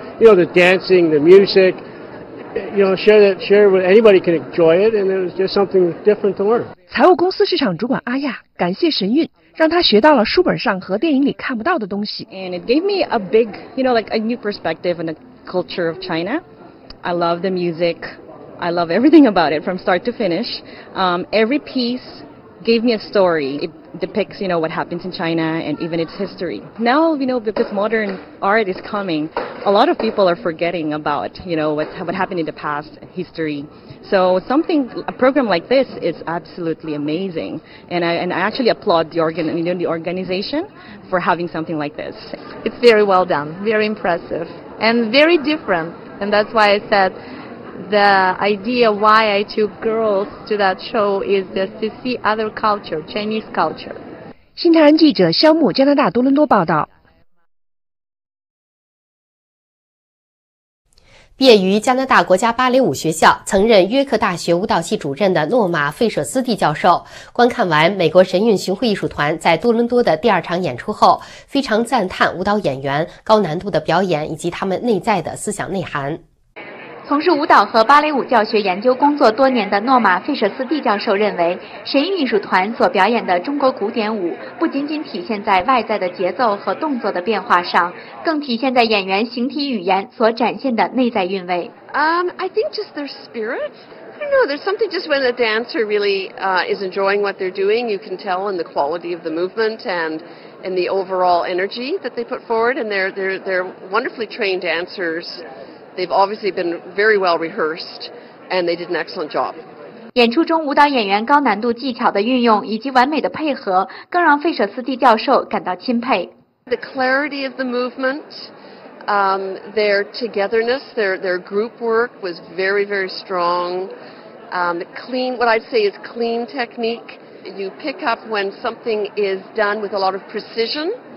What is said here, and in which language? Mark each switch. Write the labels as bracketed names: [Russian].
[English] You know, the dancing, the music, you know, share with anybody can enjoy it, and it was just something different to learn. [Chinese] 财务公司市场主管阿亚感谢神韵让他学到了书本上和电影里看不到的东西。 [English] And it gave me a big, you know, like a new perspective on the culture of China. I love the music. I love everything about it from start to finish. Every piece gave me a story. It depicts, you know, what happens in China and even its history. Now, you know, because modern art is coming, a lot of people are forgetting about, you know, what happened in the past, history. So something, a program like this is absolutely amazing. And I actually applaud the organization for having something like this. It's very well done, very impressive, and very different. And that's why I said,The idea why I took girls to that show is just to see other culture, Chinese culture. [Chinese] 新唐人记者肖木，加拿大多伦多报道。毕业于加拿大国家芭蕾舞学校、曾任约克大学舞蹈系主任的诺玛·费舍斯蒂教授，观看完美国神韵巡回艺术团在多伦多的第二场演出后，非常赞叹舞蹈演员高难度的表演以及他们内在的思想内涵。从事舞蹈和芭蕾舞教学研究工作多年的诺玛·费舍斯蒂教授认为，神韵艺术团所表演的中国古典舞不仅仅体现在外在的节奏和动作的变化上，更体现在演员形体语言所展现的内在韵味。 [English] I think just their spirit. I don't know. There's something just when a dancer really is enjoying what they're doing, you can tell in the quality of the movement and the overall energy that they put forward. And they're wonderfully trained dancers. They've obviously been very well rehearsed, and they did an excellent job. [Chinese] 演出中舞蹈演员高难度技巧的运用以及完美的配合，更让费舍斯蒂教授感到钦佩。 [English] The clarity of the movement, their togetherness, their group work was very, very strong. Clean, what I'd say is clean technique. You pick up when something is done with a lot of precision.